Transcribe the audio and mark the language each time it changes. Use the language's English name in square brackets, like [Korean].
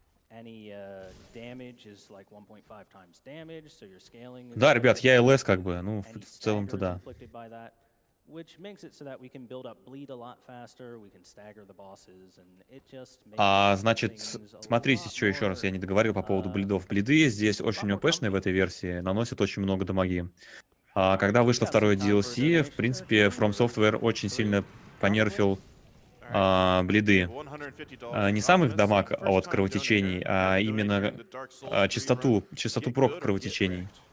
[English] Any damage is like 1.5 times damage, so your scaling. [Russian] Да, ребят, я ЛС как бы, ну в целом то да. [English] That, which makes it so that we can build up bleed a lot faster, we can stagger the bosses, and it just. [Russian] А значит, смотрите, что еще раз я не договорил по поводу блидов. Блиды здесь очень ОПшные в этой версии, наносят очень много дамаги. А когда вышло второе DLC, в принципе, From Software очень сильно понерфил блиды. Не сам их дамаг от кровотечений, а именно частоту прок кровотечений.